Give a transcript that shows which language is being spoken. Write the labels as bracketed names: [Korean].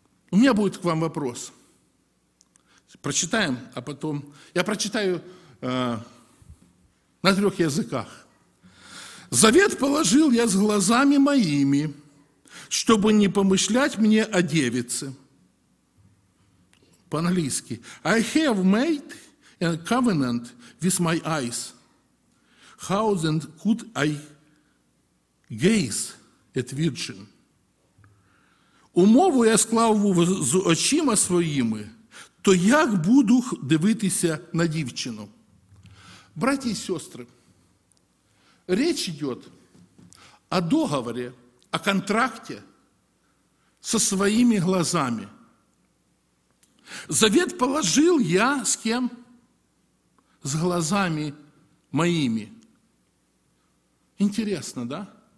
[Russian] У меня будет к вам вопрос. Прочитаем, а потом... Я прочитаю... На трех языках. «Завет положил я с глазами моими, чтобы не помышлять мне о девице». По-английски. [English] «I have made a covenant with my eyes. How then could I gaze at virgin?» [Ukrainian] «Умову я склав з очима своїми, то як буду дивитися на дівчину?» [Russian] Братья и сестры, речь идет о договоре, о контракте со своими глазами. Завет положил я с кем? С глазами моими. Интересно, да?